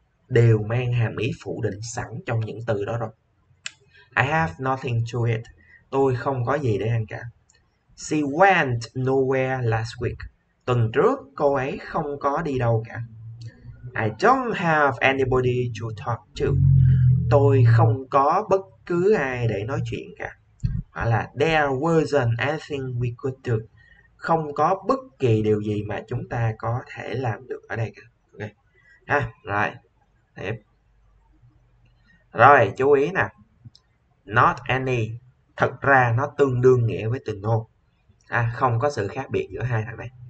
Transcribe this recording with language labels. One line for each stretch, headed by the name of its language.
Vietnamese: Đều mang hàm ý phủ định sẵn trong những từ đó rồi.
English: I have nothing to eat.
Vietnamese: Tôi không có gì để ăn cả.
English: She went nowhere last week.
Vietnamese: Tuần trước cô ấy không có đi đâu cả.
English: I don't have anybody to talk to.
Vietnamese: Tôi không có bất cứ ai để nói chuyện cả. Hoặc là
English: there wasn't anything we could do.
Vietnamese: Không có bất kỳ điều gì mà chúng ta có thể làm được ở đây cả. Ok. Ha, rồi. Tiếp. Rồi, chú ý nè.
English: Not any.
Vietnamese: Thật ra nó tương đương nghĩa với từ no. À, không có sự khác biệt giữa hai thằng này.